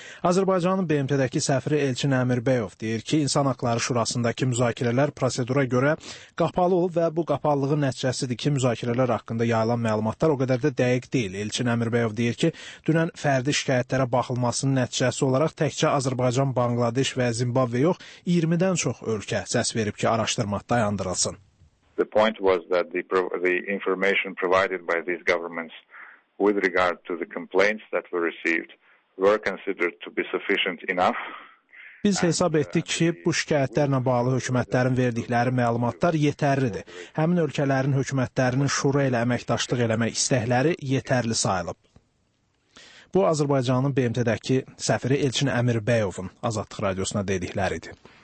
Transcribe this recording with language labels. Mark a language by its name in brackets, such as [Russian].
[Azerbaijani] Azərbaycanın BMT-dəki səfiri Elçin Əmirbəyov deyir ki, İnsan Haqları Şurasındakı müzakirələr prosedura görə qapalı olub və bu qapalılığı nəticəsidir ki, müzakirələr haqqında yayılan məlumatlar o qədər də dəqiq deyil. Elçin Əmirbəyov deyir ki, dünən fərdi şikayətlərə baxılmasının nəticəsi olaraq təkcə Azərbaycan, Bangladeş və Zimbabwe yox, 20-dən çox ölkə səs verib ki, araşdırma dayandırılsın. [English] The point was that the information provided by these governments with regard to the complaints that were received were considered to be sufficient enough. [Azerbaijani] Biz hesab etdik ki, bu şikayətlərlə bağlı hökumətlərin verdikləri məlumatlar yetərlidir. Həmin ölkələrin hökumətlərinin şura ilə əməkdaşlıq eləmək istəkləri yetərli sayılıb. Bu, Azərbaycanın BMT-dəki səfiri Elçin Əmirbəyovun Azadlıq Radiosuna dedikləridir.